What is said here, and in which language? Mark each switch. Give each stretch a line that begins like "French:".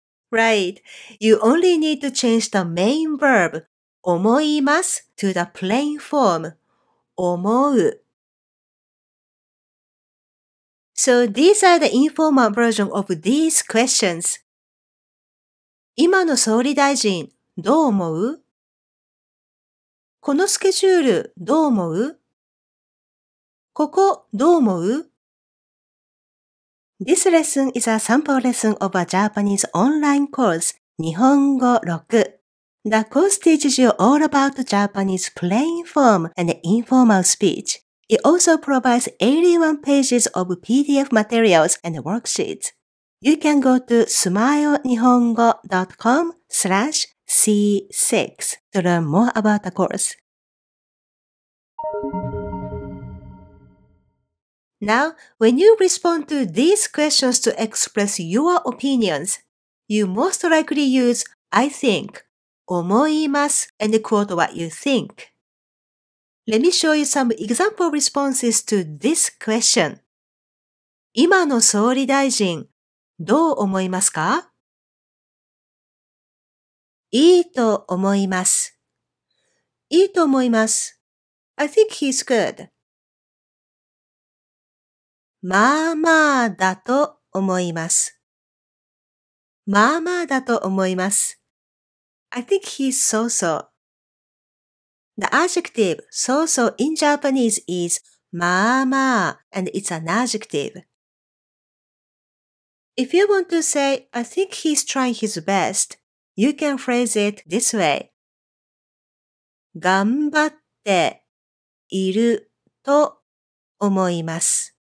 English: Right. You only need to change the main verb. 思います to the plain form, 思う。 So these are the informal version of these questions.
Japanese: 今の総理大臣、どう思う？このスケジュール、どう思う？ここ、どう思う？
English: This lesson is a sample lesson of a Japanese online course, 日本語6。 The course teaches you all about Japanese plain form and informal speech. It also provides 81 pages of PDF materials and worksheets. You can go to smilenihongo.com/C6 to learn more about the course. Now, when you respond to these questions to express your opinions, you most likely use I think. 思います and quote what you think. Let me show you some example responses to this question.
Japanese: 今の総理大臣、どう思いますか？いいと思います。いいと思います。
English: I think he's good.
Japanese: まあまあだと思います。まあまあだと思います。
English: I think he's so-so. The adjective so-so in Japanese is まあまあ, and it's an adjective. If you want to say, I think he's trying his best, you can phrase it this way.
Japanese: 頑張っていると思います。